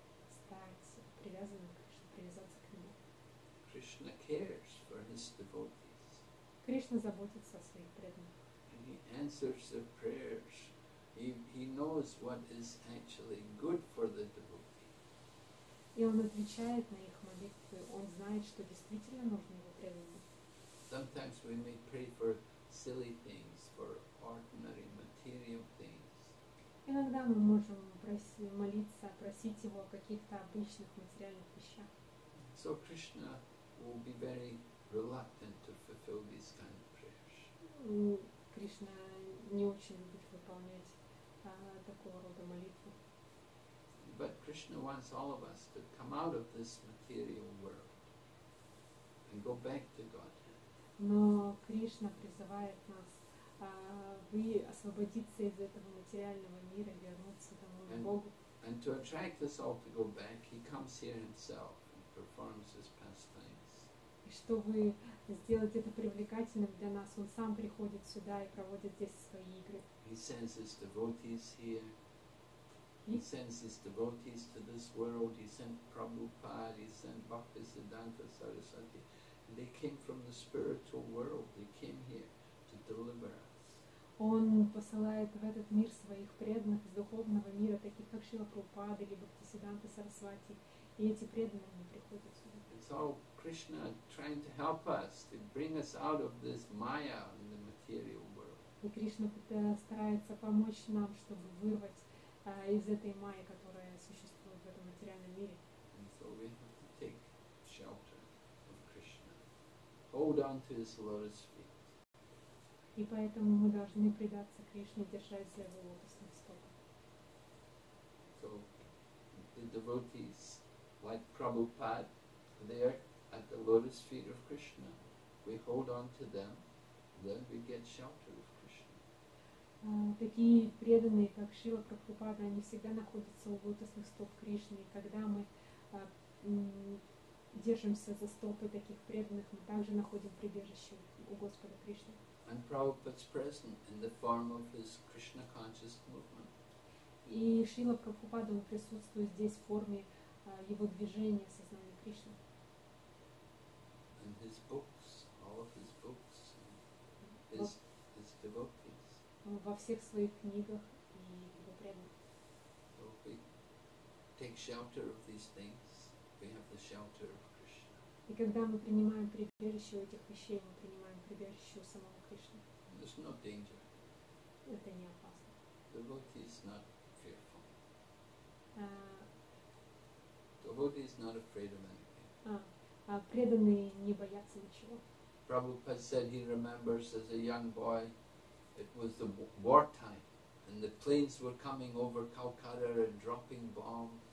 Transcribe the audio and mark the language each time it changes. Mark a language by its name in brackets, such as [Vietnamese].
[Russian] Стать привязанным к Кришне, привязаться к Нему. [English] Krishna cares for His devotees. [Russian] Кришна заботится о своих преданных. [English] And He answers their prayers. He knows what is actually good for the devotee. [Russian] И Он отвечает на их молитвы. Он знает, что действительно нужно Его преданным. [English] Sometimes we may pray for silly things, for ordinary material things. [Russian] Иногда мы можем просить его о каких-то обычных материальных вещах. [English] So Krishna will be very reluctant to fulfill these kind of prayers. [Russian] Кришна не очень любит выполнять такого рода молитвы. [English] But Krishna wants all of us to come out of this material world and go back to Godhead. [Russian] Но Кришна призывает нас вы освободиться из этого материального мира и вернуться домой к Богу. [English] And to attract us all to go back, he comes here himself and performs his pastimes. [Russian] И чтобы сделать это привлекательным для нас, он сам приходит сюда и проводит здесь свои игры. [English] He sends his devotees here. He sends his devotees to this world. He sent Prabhupada, he sent Bhaktisiddhanta Sarasvati. They came from the spiritual world. They came here. [Russian] Он посылает в этот мир своих преданных из духовного мира, таких как Шрила Прабхупада или Бхактисиддханта Сарасвати, и эти преданные приходят сюда. [English] It's all Krishna trying to help us to bring us out of this Maya in the material world. [Russian] И Кришна старается помочь нам, чтобы вырвать из этой Майи, которая существует в этом материальном мире. [English] And so we have to take shelter of Krishna, hold on to His lotus feet. [Russian] И поэтому мы должны предаться Кришне, держась за его лотосных стоп. [English] So the devotees, like Prabhupada, they're at the lotus feet of Krishna. We hold on to them, then we get shelter of Krishna. [Russian] Такие преданные, как Шрила Прабхупада, они всегда находятся у лотосных стоп Кришны. И когда мы держимся за стопы таких преданных, мы также находим прибежище у Господа Кришны. [English] And Prabhupada's present in the form of his Krishna conscious movement. [Russian] И Шрила Прабхупада присутствует здесь в форме его движения сознания Кришны. [English] And his books, all of his books, his devotees. [Russian] Во всех своих книгах и его преданных. [English] So we take shelter of these things. We have the shelter of Krishna. [Russian] И когда мы принимаем прибежище у этих вещей, мы принимаем прибежище у самого. [English] There's no danger. [Russian] Это не опасно. [English] Devotee is not fearful. Devotee is not afraid of anything. [Russian] Преданные не боятся ничего. [English] Prabhupada said he remembers as a young boy, it was the war time, and the planes were coming over Calcutta and dropping bombs.